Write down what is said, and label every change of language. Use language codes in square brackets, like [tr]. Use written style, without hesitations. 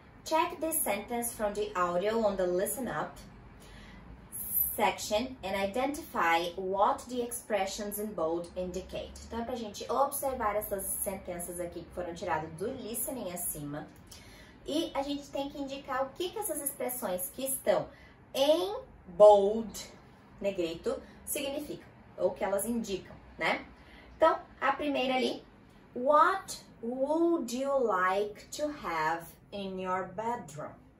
[en] Check this sentence from the audio on the listen up section and identify what the expressions in bold indicate. [pt] Então, é pra gente observar essas sentenças aqui que foram tiradas do listening acima. E a gente tem que indicar o que, que essas expressões que estão em bold, negrito, significam. Ou que elas indicam, né? Então, a primeira ali. [en] What would you like to have in your bedroom?